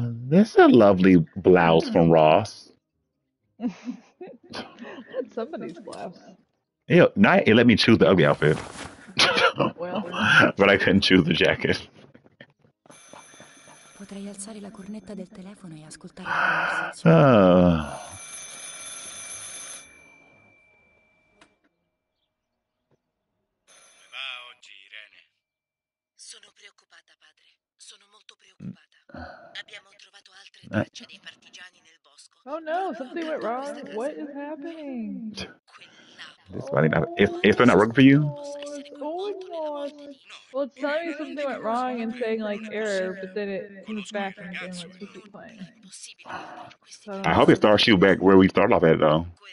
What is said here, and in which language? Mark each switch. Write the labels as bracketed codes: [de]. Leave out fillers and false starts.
[en] That's a lovely blouse from Ross. had somebody's blouse. Ew, not, it let me choose the ugly outfit. But I couldn't choose the jacket. [it] Potrei alzare la cornetta del telefono e ascoltare. Come va oggi, Irene? Sono preoccupata, padre. Sono molto preoccupata. Abbiamo trovato altre tracce dei partigiani nel bosco. [en] Oh no, something went wrong. What is happening? This body not, is there not working for you? Oh, God. Well, it's telling me something went wrong and saying, like, error, but then it comes back and again, like, keep it playing. I hope it starts you back where we started off at, though.